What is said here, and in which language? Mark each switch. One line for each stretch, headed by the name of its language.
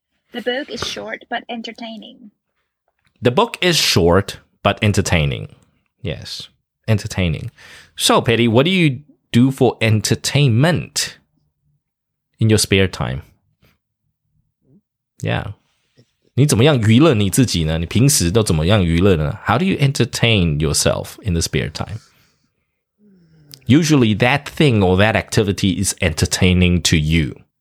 English: The book is short, but entertaining. The book is short, but entertaining. Yes. Entertaining. So, Patty, what do you do for entertainment in your spare time? Yeah.
Chinese: 你怎么样娱乐你自己呢？你平时都怎么样娱乐呢？
English: How do you entertain yourself in the spare time? Usually that thing or that activity is entertaining to you.